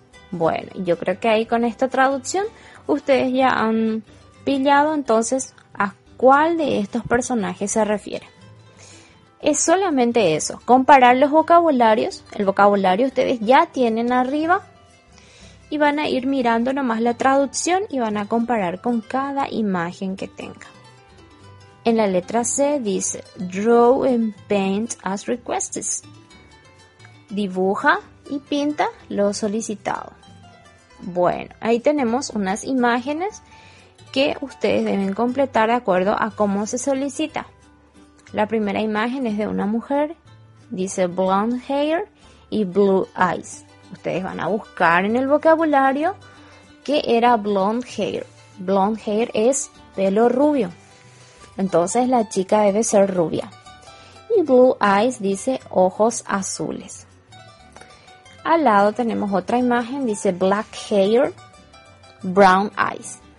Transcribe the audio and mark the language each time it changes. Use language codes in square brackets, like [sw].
[es] Bueno, yo creo que ahí con esta traducción ustedes ya han pillado entonces a cuál de estos personajes se refiere. Es solamente eso, comparar los vocabularios, el vocabulario ustedes ya tienen arriba. Y van a ir mirando nomás la traducción y van a comparar con cada imagen que tenga. En la letra C dice, [en] draw and paint as requested. [es] Dibuja y pinta lo solicitado. Bueno, ahí tenemos unas imágenes que ustedes deben completar de acuerdo a cómo se solicita. La primera imagen es de una mujer, dice [en] blonde hair [es] y [en] blue eyes. [es] Ustedes van a buscar en el vocabulario qué era [en] blonde hair. Blonde hair [es] es pelo rubio. Entonces la chica debe ser rubia. Y [en] blue eyes [es] dice ojos azules. Al lado tenemos otra imagen. Dice [en] black hair, brown eyes.